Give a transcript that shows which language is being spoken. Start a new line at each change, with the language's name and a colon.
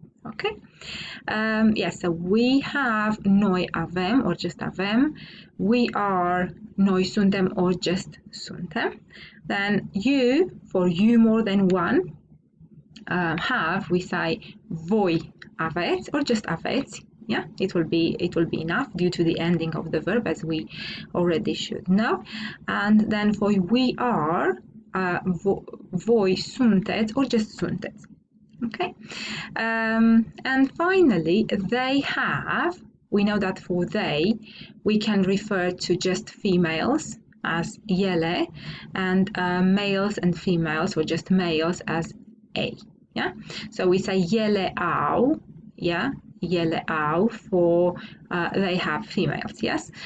English: Okay, yes, so we have,
Romanian: noi avem,
English: or just avem, we are,
Romanian: noi suntem,
English: or just suntem. Then you, for you more than one, have, we say
Romanian: voi aveți,
English: or just aveți. Yeah, it will be enough due to the ending of the verb, as we already should know. And then for we are,
Romanian: voi sunteți,
English: or just sunteți, okay? And finally, they have, we know that for they, we can refer to just females as ele, and males and females, or just males as a, yeah? So we say
Romanian: ele au,
English: yeah? Ele au, for they have females, yes?